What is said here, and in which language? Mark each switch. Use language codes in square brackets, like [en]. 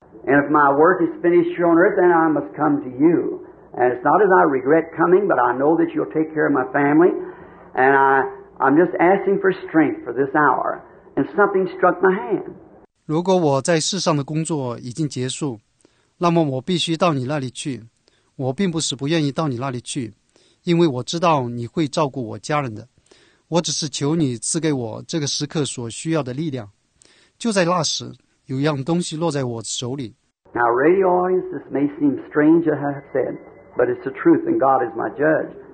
[en] And if my work is finished here on earth, then I must come to you. And it's not as I regret coming, but I know that you'll take care of my family. And I'm just asking for strength for this hour. And something struck my hand. [zh] 如果我在世上的工作已经结束，那么我必须到你那里去。我并不是不愿意到你那里去，因为我知道你会照顾我家人的。我只是求你赐给我这个时刻所需要的力量。就在那时，有样东西落在我手里。 [en] Now, radio audience, this may seem strange to have said, but it's the truth, and God is my judge.